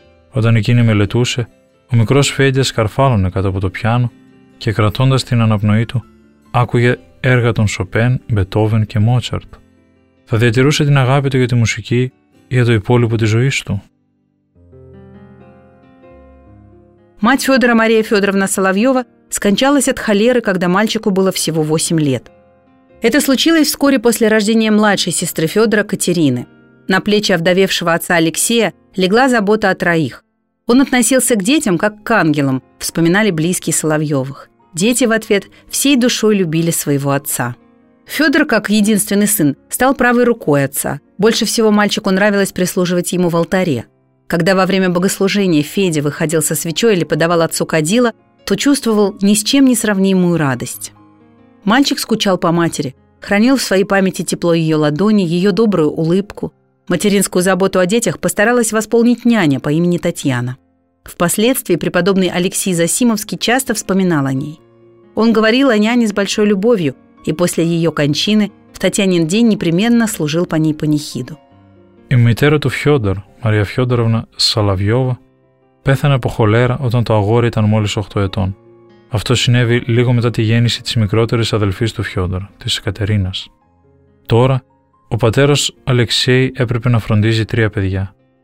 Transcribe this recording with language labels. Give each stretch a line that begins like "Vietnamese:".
Greek: Όταν εκείνη μελετούσε, ο μικρός Φέντια σκαρφάλωνε κάτω από το πιάνο και κρατώντας την αναπνοή του, άκουγε έργα των Σοπέν, Μπετόβεν και Μότσαρτ. Θα διατηρούσε την αγάπη του για τη μουσική για το υπόλοιπο της ζωής του.
Russian: Мать Федора Мария Федоровна Соловьева скончалась от холеры, когда мальчику было всего 8 лет. Это случилось вскоре после рождения младшей сестры Федора Катерины. На плечи овдовевшего отца Алексея легла забота о троих. Он относился к детям как к ангелам, вспоминали близкие Соловьевых. Дети в ответ всей душой любили своего отца. Федор, как единственный сын, стал правой рукой отца. Больше всего мальчику нравилось прислуживать ему в алтаре. Когда во время богослужения Федя выходил со свечой или подавал отцу кадила, то чувствовал ни с чем не сравнимую радость. Мальчик скучал по матери, хранил в своей памяти тепло ее ладони, ее добрую улыбку. Материнскую заботу о детях постаралась восполнить няня по имени Татьяна. Впоследствии преподобный Алексий Засимовский часто вспоминал о ней. Он говорил о няне с большой любовью, и после ее кончины в Татьянин день непременно служил по ней панихиду.
Greek: Η мητέρα του Φιόντορ, Μαρία Φιόντοροβνα Σαλαβιώβα, πέθανε από χολέρα όταν το αγόρι ήταν μόλις 8 ετών. Αυτό συνέβη λίγο μετά τη γέννηση της μικρότερης αδελφής του Φιόντορ, της Κατερίνας. Τώρα, ο πατέρας Αλεξέη έπρεπε να φροντίζει τρία παιδιά.